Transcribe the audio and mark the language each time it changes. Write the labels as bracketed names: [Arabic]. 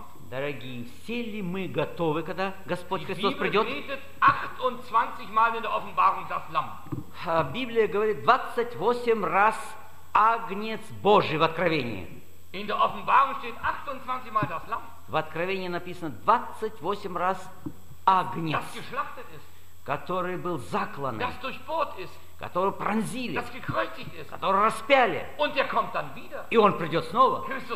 [Russian] Дорогие, все ли мы готовы, когда Господь Христос придет? Библия говорит 28 раз Агнец Божий в Откровении. [German] In der Offenbarung steht 28 Mal das Lamm. [Russian] В Откровении написано 28 раз Агнец, который был заклан, который пронзили, который распяли, и он придет снова.